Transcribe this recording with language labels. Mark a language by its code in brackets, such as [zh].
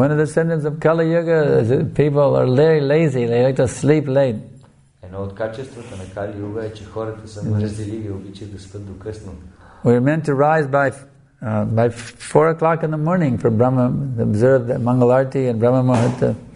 [en] One of the symptoms of Kali Yuga is that people are very lazy, they like to sleep late. [bg] Едно от качествата на Кали Юга е, че хората са мързеливи и обичат да спят до късно. [en] We are meant to rise by 4 o'clock in the morning for Brahma, observe the Mangal Arati and Brahma Muhurta.